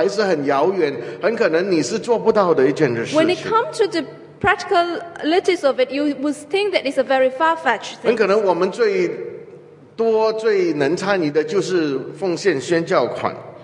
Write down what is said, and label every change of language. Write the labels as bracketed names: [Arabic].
[Chinese] 但是真正事件宣教对你来说还是很遥远，很可能你是做不到的一件事情。 [English] When it comes to the practicalities of it, you would think that it's a very far-fetched thing. [Chinese] 很可能我们最 多最能参与的就是奉献宣教款。